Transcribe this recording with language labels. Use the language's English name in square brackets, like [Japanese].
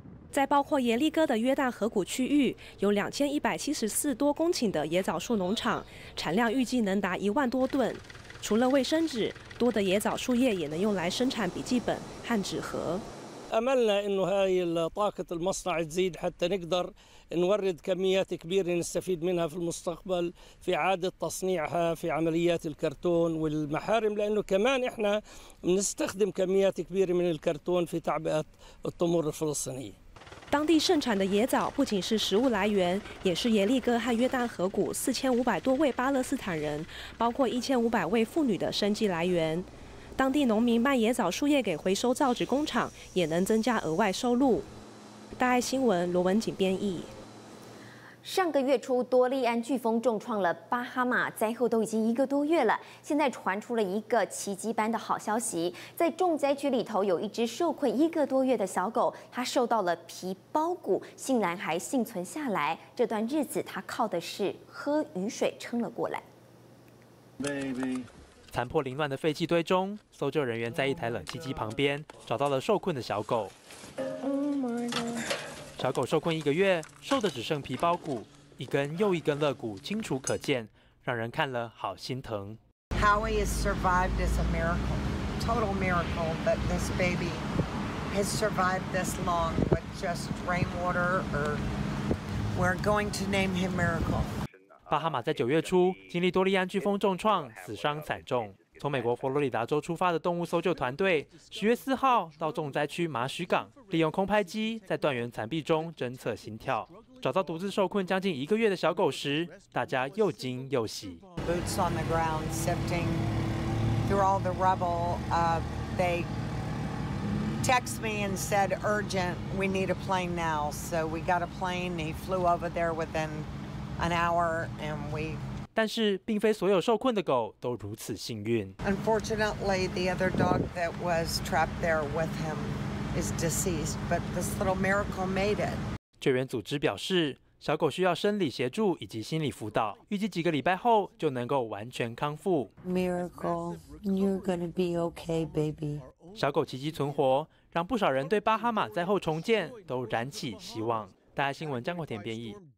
[Chinese] 在包括耶利哥的约旦河谷区域，有2174多公顷的野枣树农场，产量预计能达10000多吨。除了卫生纸，多的野枣树叶也能用来生产笔记本和纸盒。 [Arabic] املنا انه هاي طاقه المصنع تزيد حتى نقدر نورد كميات كبيره نستفيد منها في المستقبل في اعاده تصنيعها في عمليات الكرتون والمحارم لانه كمان احنا بنستخدم كميات كبيره من الكرتون في تعبئه التمور الفلسطينيه. [Chinese] 当地盛产的野枣不仅是食物来源，也是耶利哥和约旦河谷4500多位巴勒斯坦人，包括1500位妇女的生计来源。当地农民卖野枣树叶给回收造纸工厂，也能增加额外收入。大爱新闻罗文锦编译。上个月初，多利安飓风重创了巴哈马，灾后都已经一个多月了。现在传出了一个奇迹般的好消息，在重灾区里头有一只受困一个多月的小狗，它受到了皮包骨，竟然还幸存下来。这段日子，它靠的是喝雨水撑了过来。 [English] Baby. [Chinese] 残破凌乱的废弃堆中，搜救人员在一台冷气机旁边找到了受困的小狗。小狗受困一个月，瘦的只剩皮包骨，一根又一根肋骨清楚可见，让人看了好心疼。 [English] Howie has survived this miracle, total miracle, that this baby has survived this long with just rainwater. Or we're going to name him Miracle. [Chinese] 巴哈马在九月初经历多利安飓风重创，死伤惨重。从美国佛罗里达州出发的动物搜救团队，10月4号到重灾区马许港，利用空拍机在断垣残壁中侦测心跳，找到独自受困将近一个月的小狗时，大家又惊又喜。 [English] Boots on the ground, sifting through all the rubble. They text me and said, "Urgent, we need a plane now." So we got a plane. He flew over there within. An hour and we. [Chinese] 但是，并非所有受困的狗都如此幸运。 [English] Unfortunately, the other dog that was trapped there with him is deceased, but this little miracle made it. [Chinese] 救援组织表示，小狗需要生理协助以及心理辅导，预计几个礼拜后就能够完全康复。 [English] Miracle, you're gonna be okay, baby. [Chinese] 小狗奇迹存活，让不少人对巴哈马灾后重建都燃起希望。大爱新闻江国田编译。